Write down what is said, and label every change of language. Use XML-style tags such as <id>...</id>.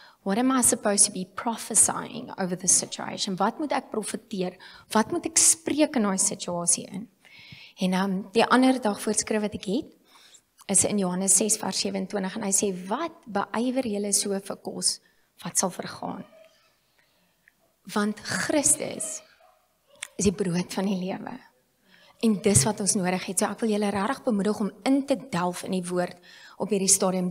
<en>What am I supposed to be prophesying over the situation?</en> <af>Wat moet ek profeteer? Wat moet ek spreek in daai situasie in? En die ander dag voorskrif wat ek het, is in Johannes 6 vers 27, en hy sê, wat beywer julle so vir kos, wat sal vergaan? Want Christus is die brood van die lewe. En dis wat ons nodig het. So ek wil julle regtig bemoedig om in te delf in die woord op hierdie stadium.</af>